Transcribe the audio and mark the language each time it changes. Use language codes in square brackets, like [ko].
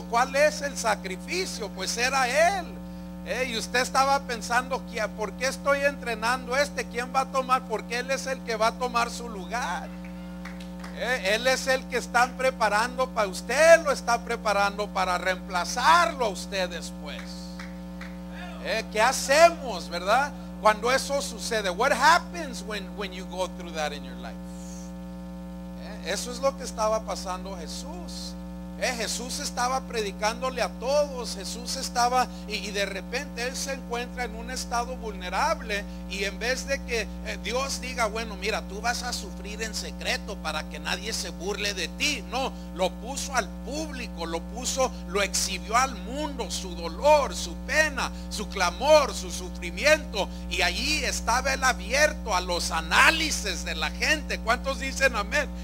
[es] ¿Cuál es el sacrificio? Pues era él. Y usted estaba pensando, ¿por qué estoy entrenando este? ¿Quién va a tomar? Porque él es el que va a tomar su lugar. Él es el que están preparando para usted, lo está preparando para reemplazarlo a usted después. ¿Qué hacemos, verdad? Cuando eso sucede. [en] What happens when you go through that in your life? [es] Eso es lo que estaba pasando Jesús. Jesús estaba predicándole a todos, Jesús estaba, y de repente él se encuentra en un estado vulnerable, y en vez de que Dios diga, bueno, mira, tú vas a sufrir en secreto para que nadie se burle de ti, no, lo puso al público, lo exhibió al mundo, su dolor, su pena, su clamor, su sufrimiento, y allí estaba él abierto a los análisis de la gente. ¿Cuántos dicen amén?